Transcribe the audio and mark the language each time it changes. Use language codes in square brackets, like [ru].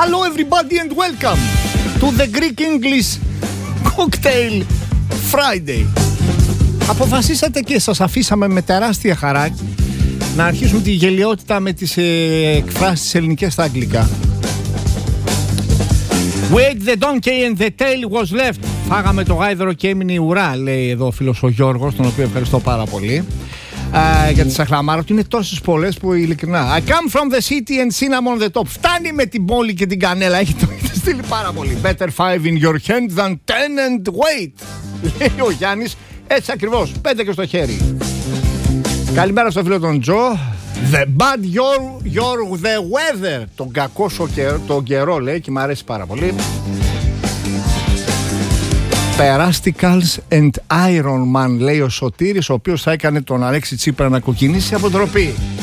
[en] everybody and welcome to the Greek English Cocktail Friday. [el] Αποφασίσατε και σας αφήσαμε με τεράστια χαρά να αρχίσουμε τη γελιότητα με τις εκφράσεις ελληνικές στα αγγλικά. [en] Wait the donkey and the tail was left. [el] Φάγαμε το γάιδρο και έμεινε η ουρά, λέει εδώ ο φίλος ο Γιώργος, τον οποίο ευχαριστώ πάρα πολύ. Για τη σαχλαμάρα του είναι τόσες πολλές που ειλικρινά. [en] I come from the city and cinnamon the top. [el] Φτάνει με την πόλη και την κανέλα. Έχει το στείλει πάρα πολύ. [en] Better five in your hand than ten and wait. [el] Λέει ο Γιάννης. Έτσι ακριβώς. Πέντε και στο χέρι. Καλημέρα στο φίλο τον Τζο. [en] The bad your the weather. [el] Τον κακό σου καιρό, τον καιρό λέει και μου αρέσει πάρα πολύ. Perasticals and Iron Man, λέει ο Σωτήρης, ο οποίος θα έκανε τον Αλέξη Τσίπρα να κοκκινήσει από ντροπή.